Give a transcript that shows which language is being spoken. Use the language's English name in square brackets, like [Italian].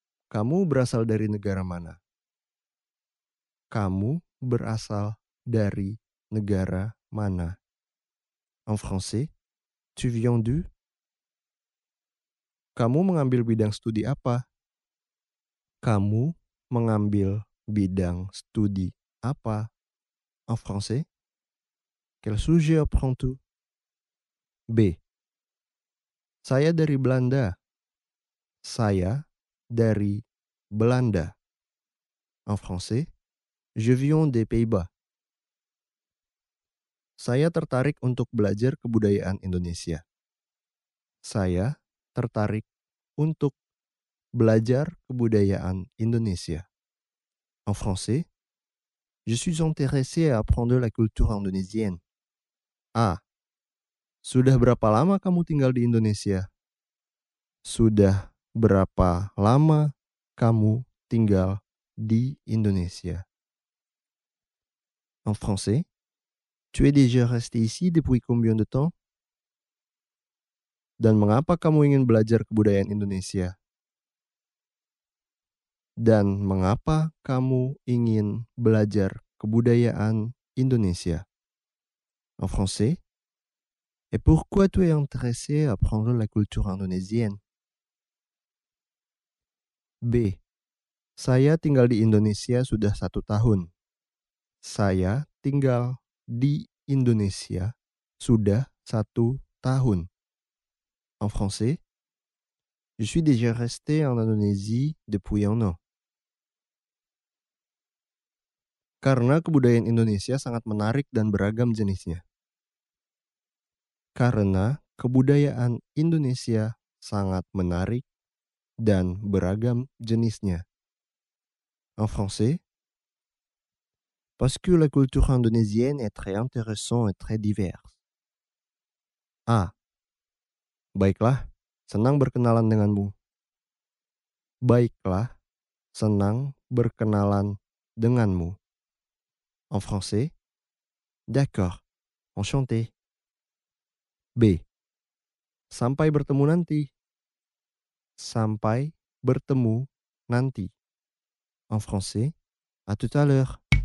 [Indonesian] Kamu berasal dari negara mana? Kamu berasal dari negara mana? [French] En français, tu viens d'où? [Indonesian] Kamu mengambil bidang studi apa? Kamu mengambil bidang studi apa? [French] En français, quel sujet apprends-tu? B. [Indonesian] Saya dari Belanda. Saya dari Belanda. [French] En français, je viens des Pays-Bas. [Indonesian] Saya tertarik untuk belajar kebudayaan Indonesia. Saya tertarik untuk belajar kebudayaan Indonesia. [French] En français, je suis intéressé à apprendre la culture indonésienne. [Indonesian] A. Sudah berapa lama kamu tinggal di Indonesia? Sudah berapa lama kamu tinggal di Indonesia? [French] En français, tu es déjà resté ici depuis combien de temps? [Indonesian] Dan mengapa kamu ingin belajar kebudayaan Indonesia? Dan mengapa kamu ingin belajar kebudayaan Indonesia? [French] En français, et pourquoi tu es intéressé à apprendre la culture indonésienne? B. [Indonesian] Saya tinggal di Indonesia sudah 1 tahun. Saya tinggal di Indonesia sudah 1 tahun. [French] En français, je suis déjà resté en Indonésie depuis 1 an. [Indonesian] Karena kebudayaan Indonesia sangat menarik dan beragam jenisnya. Karena kebudayaan Indonesia sangat menarik dan beragam jenisnya. [French] En français, parce que la culture indonésienne est très intéressante et très diverse. A. [Indonesian] Baiklah, senang berkenalan denganmu. Baiklah, senang berkenalan denganmu. [French] En français, d'accord, enchanté. B. [Indonesian] Sampai bertemu nanti. Sampai bertemu nanti. [French] En français, à tout à l'heure.